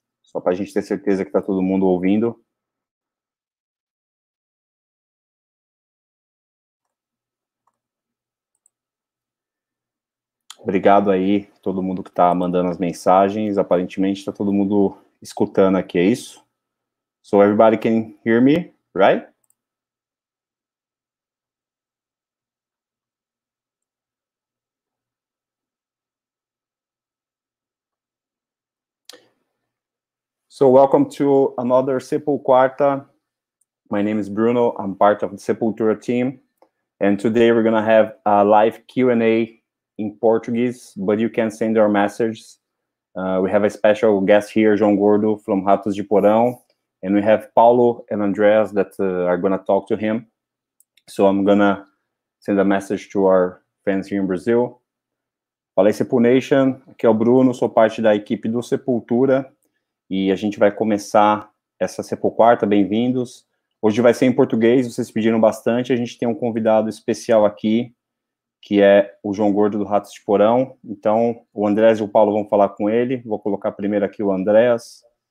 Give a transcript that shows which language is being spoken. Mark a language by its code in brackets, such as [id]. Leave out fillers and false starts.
[pt] Só para a gente ter certeza que está todo mundo ouvindo. Obrigado aí, todo mundo que está mandando as mensagens. Aparentemente, está todo mundo escutando aqui, é isso? [en] So everybody can hear me, right? So welcome to another Simple Quarta. My name is Bruno, I'm part of the Sepultura team. And today we're gonna have a live Q&A in Portuguese, but you can send our messages. We have a special guest here, João Gordo from Ratos de Porão, and we have Paulo and Andreas that are going to talk to him. So I'm going to send a message to our fans here in Brazil. [pt] Fala aí, Sepul Nation. Aqui é o Bruno, sou parte da equipe do Sepultura, e a gente vai começar essa Sepul Quarta. Bem-vindos. Hoje vai ser em português, vocês pediram bastante. A gente tem um convidado especial aqui, que é o João Gordo do Ratos de Porão. Então, o Andrés e o Paulo vão falar com ele. Vou colocar primeiro aqui o Andrés.